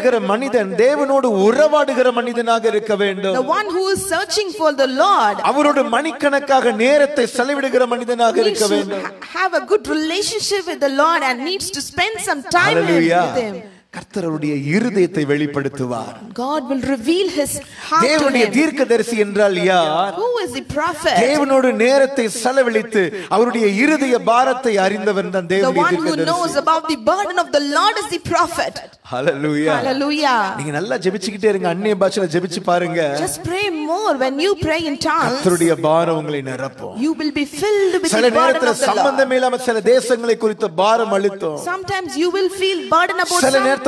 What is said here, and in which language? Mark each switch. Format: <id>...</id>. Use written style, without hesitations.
<ta>மனிதன் தேவனோடு உறவாடுகிற மனிதனாக இருக்க வேண்டும்.</ta> <en>The one who is searching for the Lord.</en> <ta>அவரோடு மணிக்கணக்காக நேரத்தை செலவிடுகிற மனிதனாக இருக்க வேண்டும்.</ta> <en>Have a good relationship with the Lord and needs to spend some time Hallelujah. With him.</en> <ta>கர்த்தருடைய இருதயத்தை வெளிப்படுத்துவார்.</ta> <en>God will reveal his heart.</en> <ta>தேவனுடைய தீர்க்கதரிசி என்றால் யார்?</ta> <en>Who is the prophet?</en> <ta>தேவனோடு நேரத்தை செலவழித்து அவருடைய இருதய பாரத்தை அறிந்தவன் தான் தேவனுடைய தீர்க்கதரிசி.</ta> <en>The one who knows about the burden of the Lord is the prophet. Hallelujah. Hallelujah.</en> <ta>நீங்க நல்லா ஜெபிச்சிட்டே இருங்க, அன்னிய பாஷையில ஜெபிச்சு பாருங்க.</ta> <en>Just pray more when you pray in tongues.</en> <ta>கர்த்தருடைய பாரம் உங்களை நிரப்பும்.</ta> <en>You will be filled with the burden of the Lord.</en> <ta>சில நேரத்துல சம்பந்தமே இல்லாம சில தேசங்களை குறித்து பாரம் அளித்தோம்.</ta> <en>Sometimes you will feel burden about some</en>